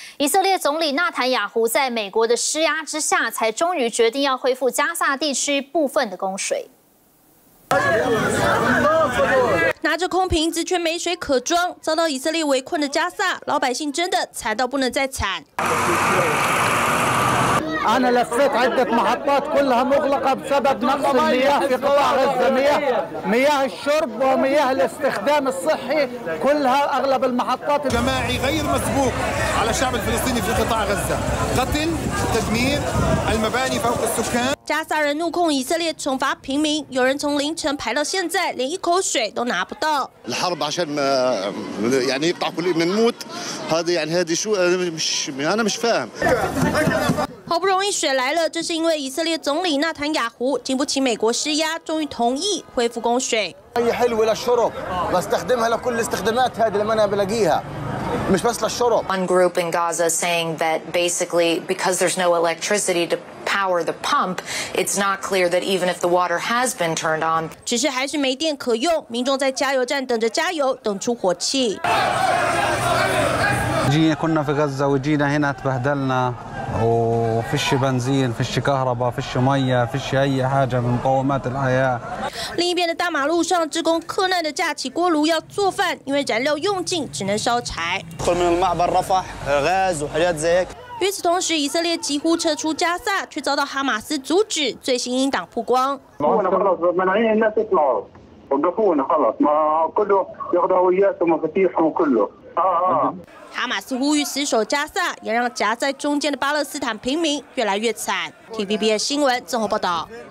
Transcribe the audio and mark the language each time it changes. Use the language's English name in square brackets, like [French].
[Chinese] 以色列总理纳坦雅胡在美国的施压之下，才终于决定要恢复加萨地区部分的供水。拿着空瓶子却没水可装，遭到以色列围困的加萨老百姓真的惨到不能再惨。 [Arabic] أنا لفيت عدة محطات كلها مغلقة بسبب نقص المياه في قطاع غزة مياه الشرب ومياه الاستخدام الصحي كلها أغلب المحطات جماعي غير مسبوق على الشعب الفلسطيني في قطاع غزة قتل تدمير المباني فوق السكان. [Chinese] 加萨人怒控以色列惩罚平民，有人从凌晨排到现在，连一口水都拿不到。 [Arabic] الحرب عشان ما يعني يقطع كل من موت هذا يعني هذه شو مش أنا مش فاهم. [Chinese] 好不容易水来了，这是因为以色列总理纳坦雅胡经不起美国施压，终于同意恢复供水。 [Arabic] هي حلوة للشرب بستخدمها لكل الاستخدامات هذه لما أنا بلاقيها. مش بس للشرب. [English] One group in Gaza saying that basically because there's no electricity to power the pump, it's not clear that even if the water has been turned on. [Chinese] 只是还是没电可用，民众在加油站等着加油，等出火气。今天 [Arabic] كنا في غزة وجينا هنا تبهدلنا. وفيش بنزين فيش كهرباء فيش مية فيش أي حاجة من مقومات الحياة [Chinese] 另一边的大马路上职工柯南的架起锅炉要做饭因为燃料用尽只能烧柴 [Arabic] دخل من المعبر رفح غاز وحاجات زي هيك [Chinese] 与此同时，以色列几乎撤出加萨，却遭到哈马斯阻止。最新音档曝光。哈马斯呼吁死守加萨，也让夹在中间的巴勒斯坦平民越来越惨。TVBS 新闻综合报道。